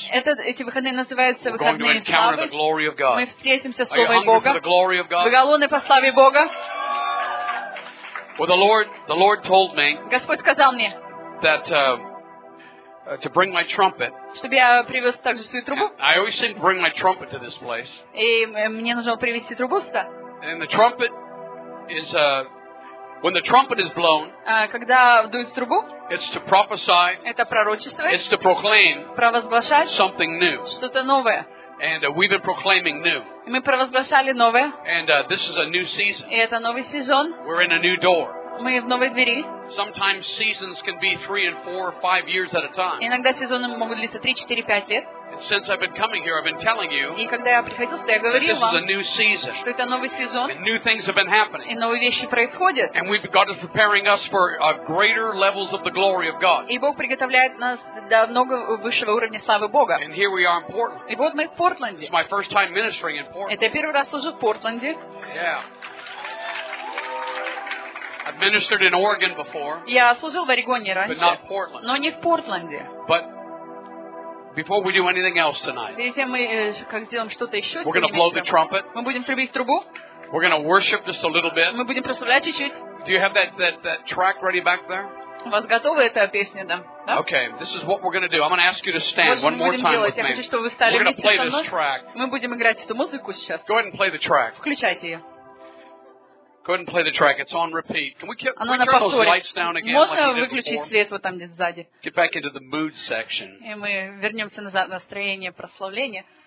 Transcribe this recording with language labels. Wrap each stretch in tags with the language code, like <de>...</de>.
<ru>Эти выходные называются</ru> <en>We're</en> <ru>выходные</ru> <en>going to encounter</en> <ru>славы.</ru> <en>The glory of God.</en> <ru>Мы встретимся с славой Бога.</ru> <en>For the glory of God?</en> <ru>Вы голодны по славе Бога?</ru> <en>Well, the Lord told me.</en> <ru>Господь сказал мне.</ru> <en>That to bring my trumpet.</en> <ru>Чтобы я привез также свою трубу.</ru> <en>I always seem to bring my trumpet to this place.</en> <ru>И мне нужно привезти трубу сюда.</ru> <en>And the trumpet is when the trumpet is blown.</en> <ru>Когда дует трубу.</ru> <en>It's to prophesy.</en> <ru>Это пророчество.</ru> <en>It's to proclaim.</en> <ru>Провозглашать.</ru> <en>Something new.</en> <ru>Что-то новое.</ru> <en>And we've been proclaiming new.</en> <ru>И мы провозглашали новое.</ru> <en>And this is a new season.</en> <ru>И это новый сезон.</ru> <en>We're in a new door.</en> <ru>Мы в новой двери.</ru> <en>Sometimes seasons can be 3, 4, or 5 years at a time.</en> <ru>Иногда сезоны могут длиться 3, 4, 5 лет.</ru> <en>And since I've been coming here, I've been telling you.</en> <ru>И когда я приходил сюда, я говорил вам.</ru> <en>This is a new season.</en> <ru>Что это новый сезон.</ru> <en>And new things have been happening.</en> <ru>И новые вещи происходят.</ru> <en>And we've God is preparing us for greater levels of the glory of God.</en> <ru>И Бог приготовляет нас до много высшего уровня славы Бога.</ru> <en>And here we are in Portland.</en> <ru>И вот мы в Портленде.</ru> <en>It's my first time ministering in Portland.</en> <ru>Это первый раз служу в Портленде.</ru> <en>Yeah. I've ministered in Oregon before.</en> <ru>Я служил в Орегоне раньше.</ru> <en>But not Portland.</en> <ru>Но не в Портленде.</ru> <en>But before we do anything else tonight.</en> <ru>Перед тем, как сделаем что-то еще сегодня.</ru> <en>We're going to blow the trumpet.</en> <ru>Мы будем трубить трубу.</ru> <en>We're going to worship just a little bit.</en> <ru>Мы будем прославлять чуть-чуть.</ru> <en>Do you have that track ready back there?</en> <ru>У вас готова эта песня, да?</ru> <en>Okay, this is what we're going to do. I'm going to ask you to stand one more time with me.</en> <ru>Я хочу, чтобы вы стали вместе со мной.</ru> <en>We're going to play this track.</en> <ru>Мы будем играть эту музыку сейчас.</ru> <en>Go ahead and play the track.</en> <ru>Включайте ее. Она на повторе. Можно выключить свет вот там где-то сзади?</ru> <en>Get back into the mood section.</en> <ru>И мы вернемся назад в настроение прославления.</ru>